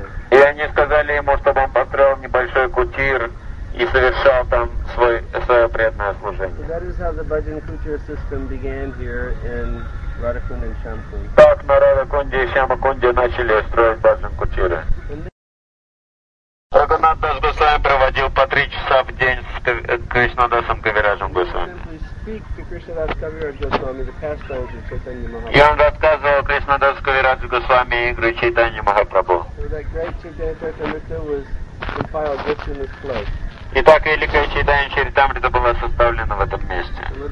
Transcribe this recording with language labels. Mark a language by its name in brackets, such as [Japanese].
[Russian] И они сказали ему, чтобы он построил небольшой кутир и совершал там свое преданное служение. [English] So that is how the Bhajan Kutir system began here in Radhakund and Shyamakund. [Russian] Так на Радхакунде и Шьямакунде начали строить Bhajan Kutir. Рагунат Дас Госвами проводил по 3 часа в день с Кришнадасом Кавираджем Госвами. И он рассказывал Кришнадас Кавираджу Госвами игры Чайтанья Махапрабху. [English] So that great Chaitanya Mahaprabhu was compiled just in this place. [Russian] Итак, великое читание Чаритамрита было составлено в этом месте.